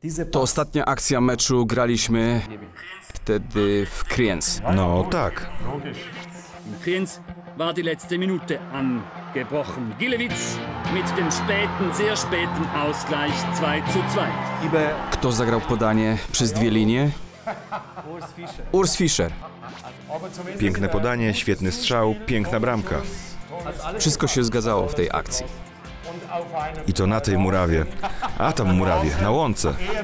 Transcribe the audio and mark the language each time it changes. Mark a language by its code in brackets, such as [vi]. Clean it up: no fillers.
[pl] To ostatnia akcja meczu, graliśmy wtedy w Kriens. No tak. [de] Kriens war die letzte Minute angebrochen. Gilewitz mit dem späten, sehr späten Ausgleich 2:2. [pl] Kto zagrał podanie przez dwie linie? Urs Fischer. Piękne podanie, świetny strzał, piękna bramka. Wszystko się zgadzało w tej akcji. I to na tej murawie. A tam murawie, na łące.